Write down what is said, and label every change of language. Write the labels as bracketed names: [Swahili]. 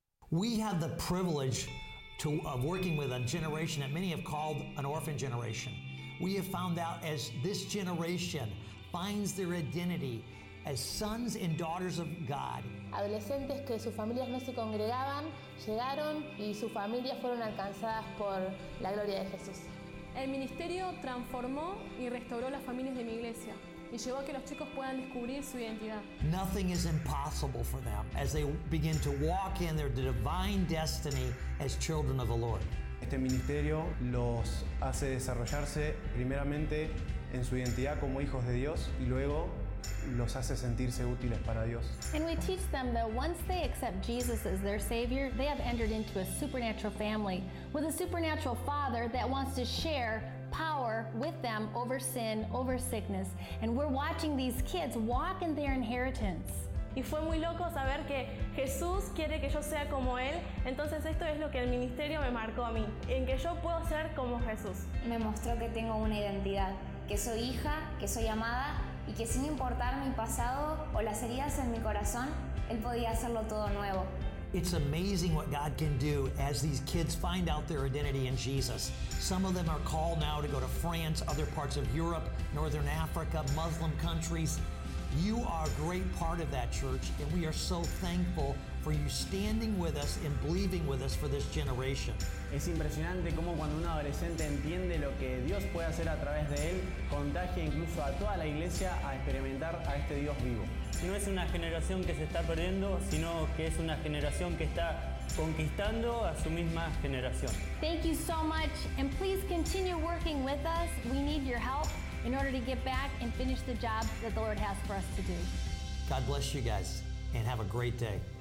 [English] We have the privilege of working with a generation that many have called an orphan generation. We have found out as this generation finds their identity as sons and daughters of God. [Spanish] Adolescentes que sus familias no se congregaban llegaron y sus familias fueron alcanzadas por la gloria de Jesús. El ministerio transformó y restauró las familias de mi iglesia y llevó a que los chicos puedan descubrir su identidad. [English] Nothing is impossible for them as they begin to walk in their divine destiny as children of the Lord. [Spanish] Este ministerio los hace desarrollarse primeramente en su identidad como hijos de Dios y luego los hace sentirse útiles para Dios. [English] And we teach them that once they accept Jesus as their Savior, they have entered into a supernatural family with a supernatural father that wants to share power with them over sin, over sickness. And we're watching these kids walk in their inheritance. [Spanish] Y fue muy loco saber que Jesús quiere que yo sea como Él. Entonces esto es lo que el ministerio me marcó a mí, en que yo puedo ser como Jesús. Me mostró que tengo una identidad, que soy hija, que soy amada, y que sin importar mi pasado o las heridas en mi corazón, Él podía hacerlo todo nuevo. [English] It's amazing what God can do as these kids find out their identity in Jesus. Some of them are called now to go to France, other parts of Europe, Northern Africa, Muslim countries. You are a great part of that, church, and we are so thankful for you standing with us and believing with us for this generation. [Spanish] Es impresionante cómo cuando un adolescente entiende lo que Dios puede hacer a través de él, contagia incluso a toda la iglesia a experimentar a este Dios vivo. No es una generación que se está perdiendo, sino que es una generación que está conquistando a su misma generación. [English] Thank you so much, and please continue working with us. We need your help in order to get back and finish the job that the Lord has for us to do. God bless you guys, and have a great day.